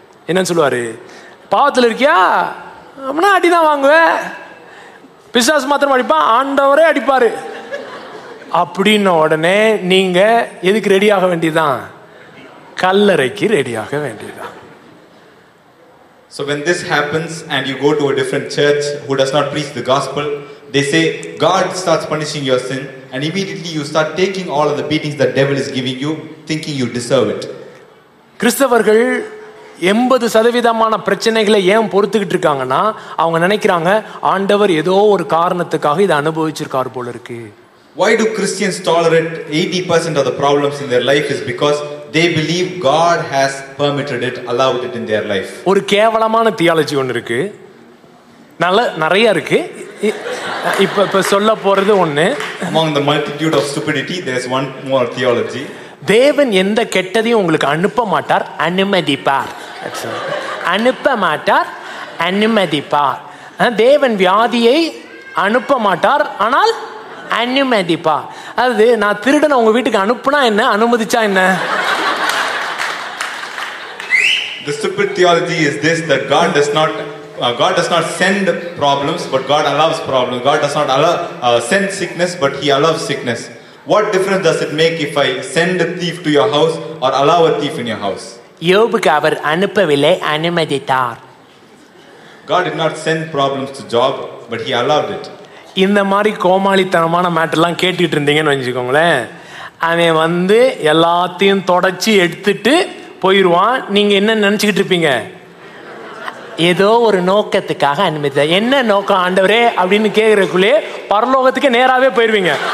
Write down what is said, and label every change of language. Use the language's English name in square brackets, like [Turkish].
[Tamil] என்ன சொல்லுவாரு? பாவத்தில் இருக்கியா அப்படின்னா அடிதான் வாங்குவ, பிசாசு மாத்திரம் அடிப்பா, ஆண்டவரே அடிப்பாரு அப்படின்ன உடனே நீங்க எதுக்கு ரெடி ஆக வேண்டியதுதான், கல்லறைக்கு ரெடி ஆக வேண்டியதுதான். [English] So when this happens and you go to a different church who does not preach the gospel, they say God starts punishing your sin and immediately you start taking all of the beatings that devil is giving you thinking you deserve it. [Tamil] கிறிஸ்தவர்கள் 80% பிரச்சனைகளை ஏன் பொறுத்துக்கிட்டு இருக்காங்கன்னா, அவங்க நினைக்கிறாங்க ஆண்டவர் ஏதோ ஒரு காரணத்துக்காக இதை அனுபவிச்சிருக்காரு போல இருக்கு. [English] Why do Christians tolerate 80% of the problems in their life is because they believe God has permitted it, allowed it in their life. [Tamil] ஒரு கேவலமான தியாலஜி ஒன்று இருக்கு, நல்ல நிறைய இருக்கு, இப்ப சொல்ல போறது ஒண்ணு. [English] Among the multitude of stupidity, there's one more theology. [Tamil] தேவன் எந்த கெட்டதையும் உங்களுக்கு அனுப்ப மாட்டார், அனுமதிப்பார். அனுப்ப மாட்டார், அனுமதிப்பார். தேவன் வியாதியை அனுப்ப மாட்டார், ஆனால் அனுமதிப்பார். அதாவது நான் திருடன உங்க வீட்டுக்கு அனுப்புனா என்ன, அனுமதிச்சா என்ன? [English] The stupid theology is this, that God does not send problems, but God allows problems. God does not allow send sickness, but he allows sickness. What difference does it make if I send a thief to your house or allow a thief in your house? [Tamil] யோபுக்கு அவர் அனுப்பவில்லை, அனுமதித்தார். [English] God did not send problems to Job, but he allowed it. [Tamil] இந்த மாதிரி கோமாளித்தனமான மேட்டர்லாம் கேட்டுட்டு இருந்தீங்கன்னு வச்சுக்கோங்களேன், அவன் வந்து எல்லாத்தையும் தொடச்சி எடுத்துட்டு போயிடுவான். நீங்க என்ன நினைச்சுக்கிட்டு இருப்பீங்க, ஏதோ ஒரு நோக்கத்துக்காக அனுமதி, என்ன நோக்கம் ஆண்டவரே அப்படின்னு கேக்குறதுக்குள்ளே பரலோகத்துக்கு நேராவே போயிருவீங்க.